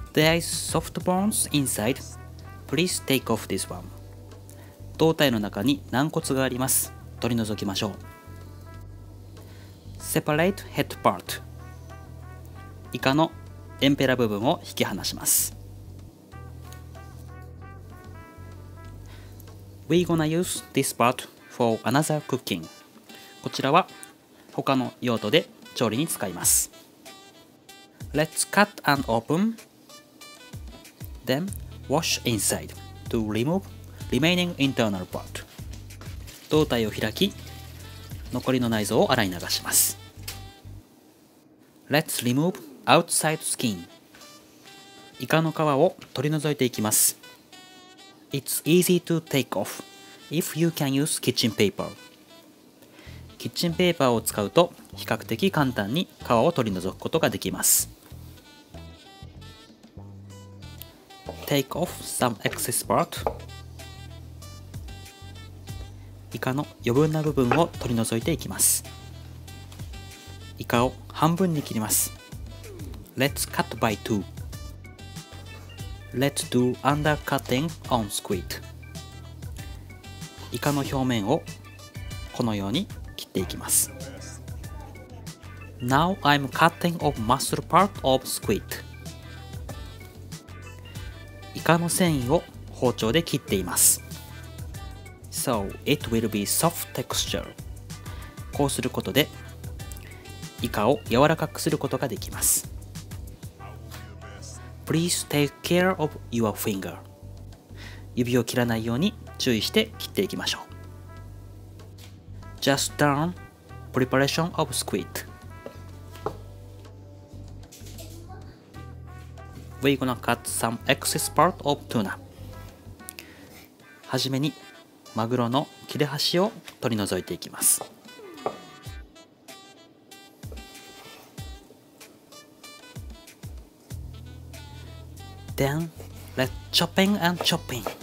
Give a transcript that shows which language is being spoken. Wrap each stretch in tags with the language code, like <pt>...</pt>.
<en>There is soft bones inside. Please take off this one.</en> <ja>胴体の中に軟骨があります。取り除きましょう。</ja> <en>Separate head part.</en> <ja>イカのエンペラ部分を引き離します。</ja> <en>We're gonna use this part for another cooking.</en> <ja>こちらは他の用途で調理に使います。</ja> <en>Let's cut and open. Then wash inside to remove remaining internal part.</en> <ja>胴体を開き、残りの内臓を洗い流します。</ja> <en>Let's remove outside skin.</en> <ja>イカの皮を取り除いていきます。</ja> <en>It's easy to take off if you can use kitchen paper.</en> <ja>キッチンペーパーを使うと比較的簡単に皮を取り除くことができます。</ja> <en>Take off some excess part.</en> <ja>イカの余分な部分を取り除いていきます。イカを半分に切ります。</ja> <en>Let's cut by two. Let's do undercutting on squid.</en> <ja>イカの表面をこのように切っていきます。</ja> <en>Now I'm cutting off muscle part of squid.</en> <ja>イカの繊維を包丁で切っています。</ja> <en>So it will be soft texture.</en> <ja>こうすることでイカを柔らかくすることができます。</ja> <en>Please take care of your finger.</en> <ja>指を切らないように注意して切っていきましょう。</ja> <en>Just done preparation of squid. We're gonna cut some excess part of tuna.</en> <ja>はじめにマグロの切れ端を取り除いていきます。</ja> <en>Then, let's chopping and chopping.</en>